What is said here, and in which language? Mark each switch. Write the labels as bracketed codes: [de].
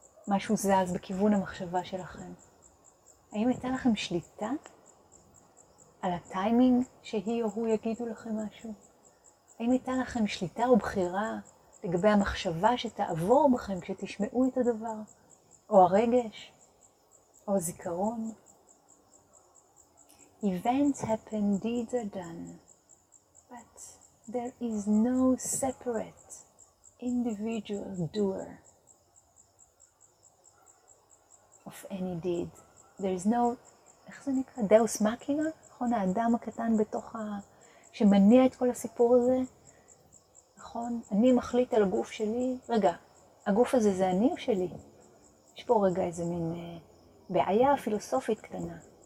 [he] משהו זז בכיוון המחשבה שלכם. האם הייתה לכם שליטה על הטיימינג שהיא או הוא יגידו לכם משהו? האם הייתה לכם שליטה או בחירה לגבי המחשבה שתעבור בכם כשתשמעו את הדבר? או הרגש? או זיכרון? [en] Events happen, deeds are done, but there is no separate individual doer. of any deed. There is no, [he] איך זה נקרא? Deus machina? נכון? האדם הקטן בתוך ה... שמניע את כל הסיפור הזה? נכון? אני מחליט על הגוף שלי. רגע, הגוף הזה זה אני או שלי? יש פה רגע איזה מין בעיה פילוסופית קטנה.